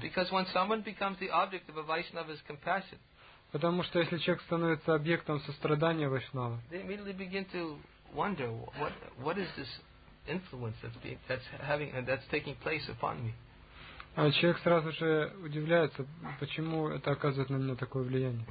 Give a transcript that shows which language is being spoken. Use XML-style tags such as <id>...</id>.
<en>Because when someone becomes the object of a Vaishnava's compassion.</en> <ru>Потому что если человек становится объектом сострадания Вайшнава,</ru> <en>they immediately begin to wonder what is this influence that's taking place upon me.</en> <ru>Человек сразу же удивляется, почему это оказывает на меня такое влияние.</ru>